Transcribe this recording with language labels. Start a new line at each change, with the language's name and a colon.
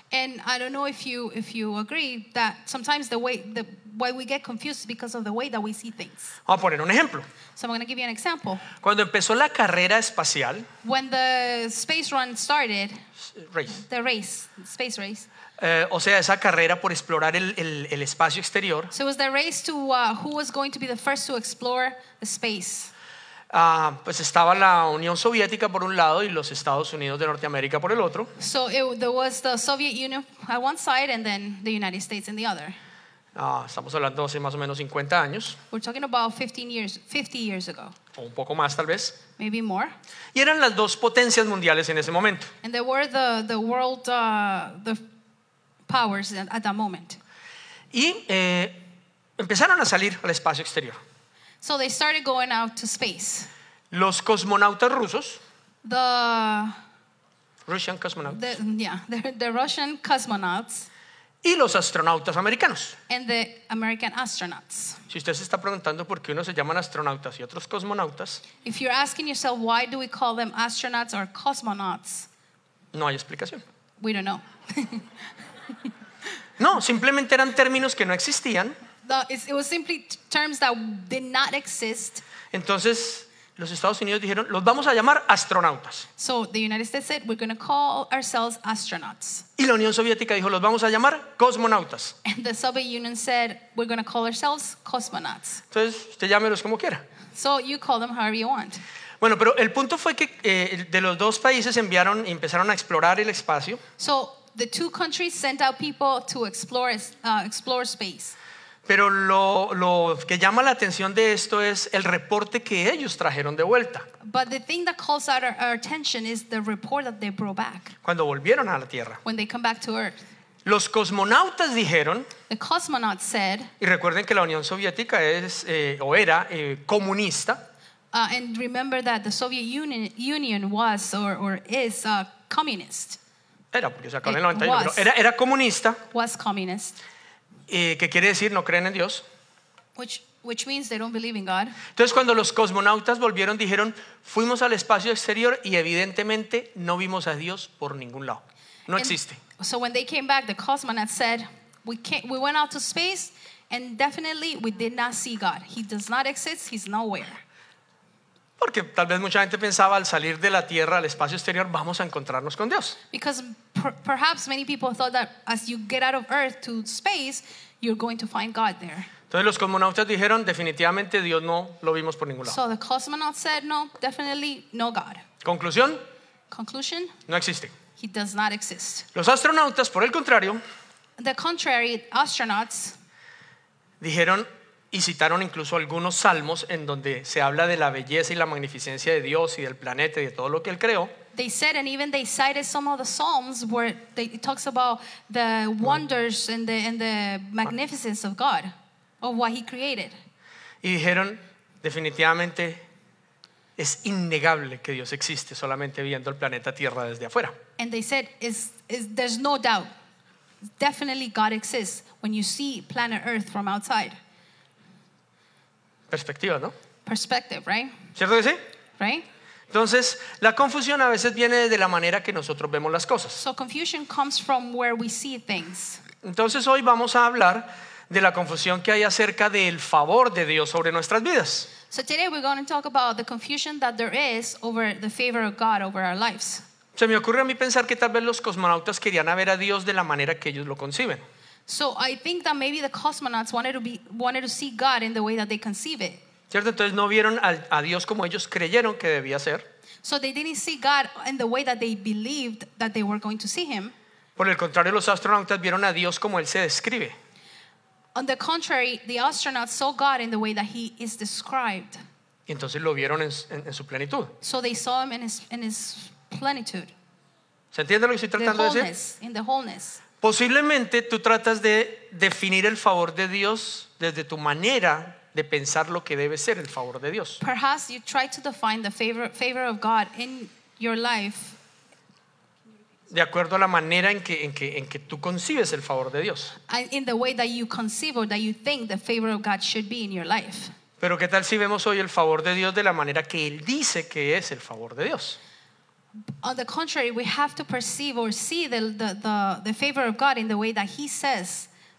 English: And I don't know if you agree that sometimes why we get confused is because of the way that we see things.
Spanish: Vamos a poner un ejemplo.
English: So I'm going to give you an example.
Spanish: Cuando empezó la carrera espacial.
English: When the space run started. Race. The race, space race.
Spanish: O sea, esa carrera por explorar el espacio exterior.
English: So it was the race to who was going to be the first to explore the space.
Spanish: Pues estaba la Unión Soviética por un lado y los Estados Unidos de Norteamérica por el otro.
English: So there was the Soviet Union on one side and then the United States on the other.
Spanish: Estamos hablando hace más o menos 50 años.
English: We're talking about 50 years ago.
Spanish: O un poco más, tal vez.
English: Maybe more.
Spanish: Y eran las dos potencias mundiales en ese momento.
English: And they were the world the powers at that moment.
Spanish: Y empezaron a salir al espacio exterior.
English: So they started going out to space.
Spanish: Los cosmonautas rusos.
English: The Russian cosmonauts. The Russian cosmonauts.
Spanish: Y los astronautas americanos.
English: And the American astronauts.
Spanish: Si usted se está preguntando por qué unos se llaman astronautas y otros cosmonautas.
English: If you're asking yourself why do we call them astronauts or cosmonauts?
Spanish: No hay explicación.
English: We don't know.
Spanish: No, simplemente eran términos que no existían.
English: It was simply terms that did not exist.
Spanish: Entonces, los Estados Unidos dijeron, los vamos a llamar astronautas.
English: So the United States said, we're going to call ourselves astronauts.
Spanish: Y la Unión Soviética dijo, los vamos a llamar cosmonautas.
English: And the Soviet Union said, we're going to call ourselves cosmonauts.
Spanish: Entonces, usted llámelos como quiera.
English: So you call them however you want.
Spanish: Bueno, pero el punto fue que de los dos países enviaron y empezaron a explorar el espacio.
English: So the two countries sent out people to explore space.
Spanish: Pero lo que llama la atención de esto es el reporte que ellos trajeron de vuelta.
English: But the thing that calls our attention is the report that they brought back.
Spanish: Cuando volvieron a la Tierra.
English: When they come back to Earth.
Spanish: Los cosmonautas dijeron.
English: The cosmonauts said.
Spanish: Y recuerden que la Unión Soviética es o era comunista.
English: And remember that the Soviet Union was or is a communist.
Spanish: Era porque se acabó en el 91, pero era comunista.
English: Was communist.
Spanish: ¿Qué quiere decir? No creen en Dios.
English: Which means they don't believe in God.
Spanish: Entonces cuando los cosmonautas volvieron dijeron, fuimos al espacio exterior y evidentemente no vimos a Dios por ningún lado. No existe.
English: So when they came back, the cosmonauts said, we went out to space and definitely we did not see God. He does not exist. He's nowhere.
Spanish: Porque tal vez mucha gente pensaba al salir de la Tierra al espacio exterior vamos a encontrarnos con Dios.
English: Because perhaps many people thought that as you get out of Earth to space, you're going to find God there.
Spanish: Entonces los cosmonautas dijeron definitivamente Dios no lo vimos por ningún lado.
English: So the cosmonauts said no, definitely no God.
Spanish: Conclusión.
English: Conclusion.
Spanish: No existe.
English: He does not exist.
Spanish: Los astronautas, por el contrario.
English: The contrary, astronauts.
Spanish: Dijeron. Y citaron incluso algunos salmos en donde se habla de la belleza y la magnificencia de Dios y del planeta y de todo lo que él creó.
English: They said and even they cited some of the psalms where they, it talks about the wonders and the magnificence of God, of what he created.
Spanish: Y dijeron definitivamente es innegable que Dios existe solamente viendo el planeta Tierra desde afuera.
English: And they said is there's no doubt, definitely God exists when you see planet Earth from outside.
Spanish: Perspectiva, ¿no?
English: Perspective, right?
Spanish: ¿Cierto que sí?
English: Right?
Spanish: Entonces, la confusión a veces viene de la manera que nosotros vemos las cosas.
English: So confusion comes from where we see things.
Spanish: Entonces, hoy vamos a hablar de la confusión que hay acerca del favor de Dios sobre nuestras vidas.
English: So today we're going to talk about the confusion that there is over the favor of God over our lives.
Spanish: Se me ocurre a mí pensar que tal vez los cosmonautas querían ver a Dios de la manera que ellos lo conciben.
English: So I think that maybe the cosmonauts wanted to see God in the way that they conceive it.
Spanish: ¿Cierto? Entonces no vieron a Dios como ellos creyeron que debía ser.
English: So they didn't see God in the way that they believed that they were going to see him.
Spanish: Por el contrario, los astronautas vieron a Dios como él se describe.
English: On the contrary, the astronauts saw God in the way that he is described.
Spanish: Y entonces lo vieron en su plenitud.
English: So they saw him in his plenitude.
Spanish: ¿Se entiende lo que estoy tratando
English: wholeness,
Spanish: de decir?
English: In the wholeness.
Spanish: Posiblemente tú tratas de definir el favor de Dios desde tu manera de pensar lo que debe ser el favor de Dios.
English: Perhaps you try to define the favor of God in your life.
Spanish: De acuerdo a la manera en que tú concibes el favor de Dios.
English: In the way that you conceive or that you think the favor of God should be in your life.
Spanish: Pero ¿qué tal si vemos hoy el favor de Dios de la manera que Él dice que es el favor de Dios?
English: On the contrary, we have to perceive or see the favor of God in the way that he says